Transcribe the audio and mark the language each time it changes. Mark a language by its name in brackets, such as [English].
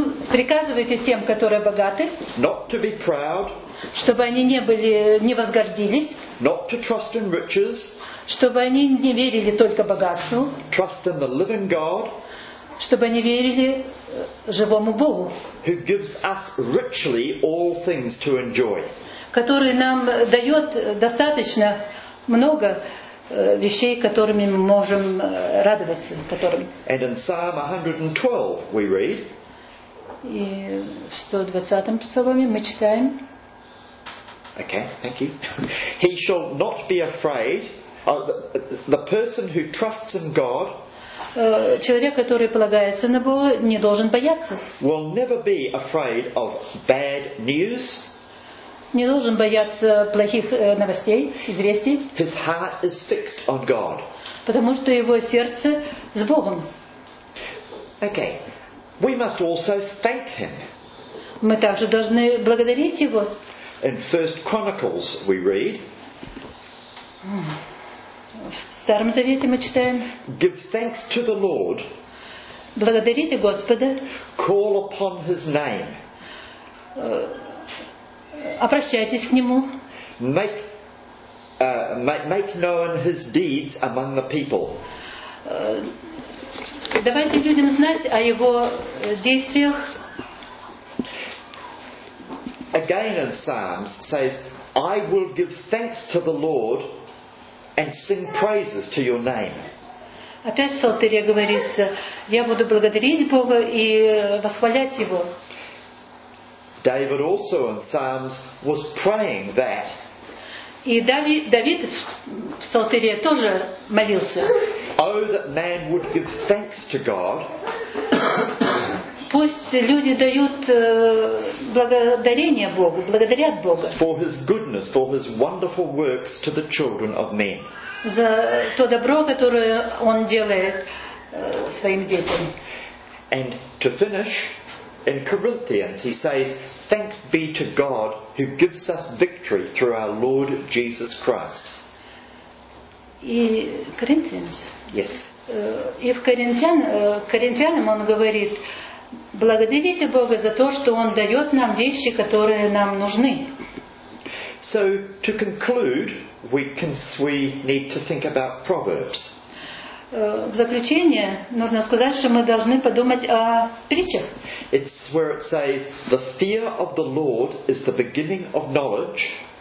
[Russian] Приказывайте тем, которые богаты. [English] Not to be proud. [Russian] Чтобы они не возгордились. [English] Not to trust in riches. [Russian] Чтобы они не верили только богатству. [English] Trust in the living God. [Russian] Чтобы они верили живому Богу. [English] Who gives us richly all things to enjoy. [Russian] Который нам дает достаточно много вещей, которыми мы можем радоваться, которым. [English] And in Psalm 112 we read. [Russian] И в 120-м псалме мы читаем. [English] Okay, thank you. He shall not be afraid. The person who trusts in God. [Russian] Человек, который полагается на Бога, не должен бояться. [English] Will never be afraid of bad news. [Russian] Не должен бояться плохих новостей, известий. [English] His heart is fixed on God. [Russian] Потому что его сердце с Богом. [English] Okay, we must also thank him. [Russian] Мы также должны благодарить его. [English] In First Chronicles we read. [Russian] В Старом Завете мы читаем. [English] Give thanks to the Lord. [Russian] Благодарите Господа. [English] Call upon his name. [Russian] Обращайтесь к нему. [English] Make known his deeds among the people. [Russian] Давайте людям знать о его действиях. [English] Again in Psalms says, I will give thanks to the Lord and sing praises to your name. [Russian] Опять в Псалтире говорится, я буду благодарить Бога и восхвалять Его. [English] David also in Psalms was praying that. [Russian] И Давид в Псалтире тоже молился. [English] Oh, that man would give thanks to God. [Russian] Пусть люди дают благодарение Богу, благодарят Бога. [English] For his goodness, for his wonderful works to the children of men. [Russian] За то добро, которое он делает своим детям. [English] And to finish, in Corinthians he says, thanks be to God who gives us victory through our Lord Jesus Christ. [Russian] И Corinthians. [English] Yes. [Russian] И в Коринфянам он говорит, благодарите Бога за то, что Он дает нам вещи, которые нам нужны. [English] So, to conclude, we need to think about Proverbs. [Russian] В заключение, нужно сказать, что мы должны подумать о притчах. [English] It's where it says, the fear of the Lord is the beginning of knowledge.